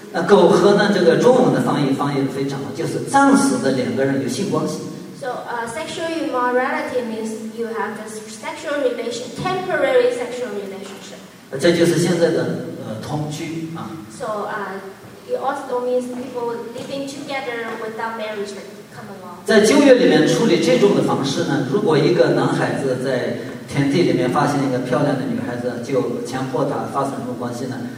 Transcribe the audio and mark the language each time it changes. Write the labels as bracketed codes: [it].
[zh] 那苟合呢，这个中文的翻译非常好，就是暂时的两个人有性关系。 [en] So sexual immorality means you have this sexual relation, temporary sexual relationship. [zh] 这就是现在的同居啊。 [en] So it also means people living together without marriage come along. [zh] 在旧约里面处理这种的方式呢，如果一个男孩子在田地里面发现一个漂亮的女孩子，就强迫她发生什么关系呢？